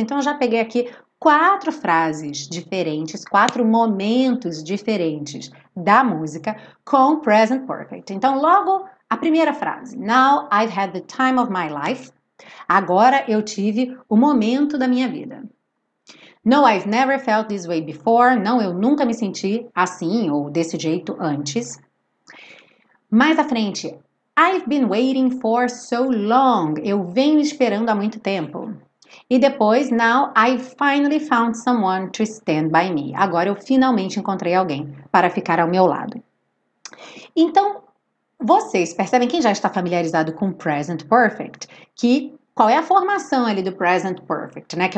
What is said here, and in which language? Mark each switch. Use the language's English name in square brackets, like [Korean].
[Portuguese] Então, eu já peguei aqui quatro frases diferentes, quatro momentos diferentes da música com present perfect. Então, logo, a primeira frase. [English] Now, I've had the time of my life. [Portuguese] Agora eu tive o momento da minha vida. [English] No, I've never felt this way before. [Portuguese] Não, eu nunca me senti assim ou desse jeito antes. Mais à frente, [English] I've been waiting for so long. [Portuguese] Eu venho esperando há muito tempo. E depois, [English] now I finally found someone to stand by me. [Portuguese] Agora eu finalmente encontrei alguém para ficar ao meu lado. Então, vocês percebem, quem já está familiarizado com Present Perfect, que qual é a formação ali do Present Perfect, né?